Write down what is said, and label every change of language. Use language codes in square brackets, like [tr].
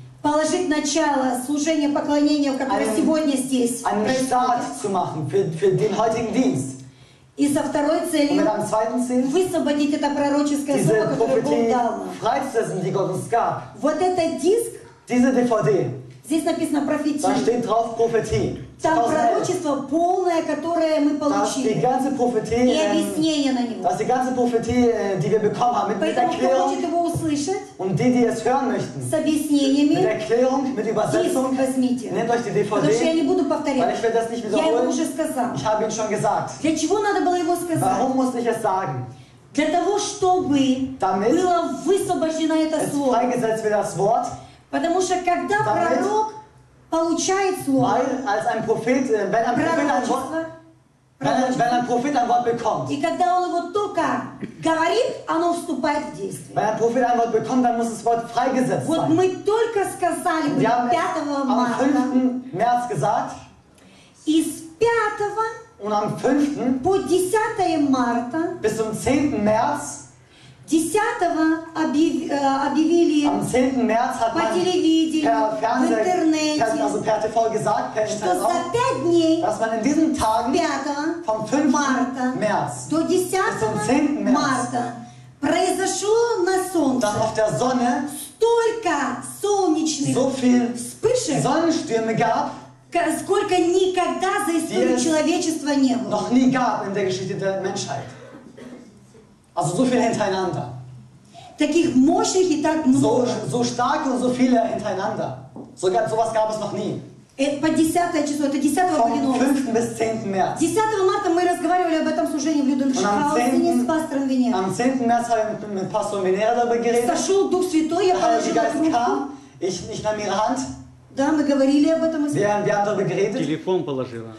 [ru] Положить начало служения поклонения, которое сегодня здесь. [de] Einen Start zu machen für den heutigen Dienst. [ru] И со второй целью. [de] Mit einem zweiten Ziel. [ru] Высвободить это пророческое слово, которое Бог дал. [de] Freisetzen, die Gott uns gab. [ru] Вот этот диск. [de] Diese DVD. [ru] Здесь написано «Профетия». [de] Da steht drauf «Profetie». [ru] Там пророчество полное, которое мы получили. [de] Die ganze Prophetie, [ru] и объяснение на него. [de] Dass die ganze Prophetie, die wir bekommen haben, mit Erklärung. [ru] Поэтому, кто хочет его услышать, [de] und die, die es hören möchten, [ru] с объяснениями, [de] mit Erklärung, mit Übersetzung, [ru] диск возьмите. [de] Nehmt euch die DVD, [ru] потому что я не буду повторять. [de] Weil ich will das nicht wiederholen. [ru] Я его уже сказал. [de] Ich habe ihn schon gesagt. [ru] Для чего надо было его сказать? [de] Warum musste ich es sagen? [ru] Для того, чтобы [de] damit [ru] было высвобождено это [de] es [ru] слово. [de] Freigesetzt wird das Wort. [ru] Потому что когда пророк получает слово, [de] wenn ein Prophet ein Wort bekommt, [ru] и когда он его только говорит, оно вступает в действие. [de] Wenn ein Prophet ein Wort bekommt, dann muss das Wort freigesetzt sein. [ru] Вот мы только сказали, мы 5 марта, [de] am 5. März gesagt, [ru] и с 5 [de] und am 5. [ru] по 10 марта, [de] bis zum 10. März, [ru] 10-го объявили [de] am 10. März hat [ru] по телевидению, [de] per [ru] в интернете, [de] also per TV gesagt, per [ru] что за 5 дней, [de] dass man in diesen Tagen, 5 vom 5. [ru] Марта [de] März, [ru] до 10 марта произошло на солнце [de] dann auf der Sonne, [ru] столько солнечных [de] so viel [ru] вспышек, [de] Sonnenstürme gab, [ru] сколько никогда за историю человечества не было. [de] Noch nie gab in der Geschichte der Menschheit. Also so viele hintereinander. [ru] Таких мощных и так много. [de] So stark und so viele hintereinander. So was gab es noch nie. [ru] По 10 число, это 10 Валентина. 10 марта мы разговаривали об этом служении в Людвигшаузене с пастором Венера. Сошел Дух Святой, я положил руку. Да, мы говорили об этом. Телефон положила.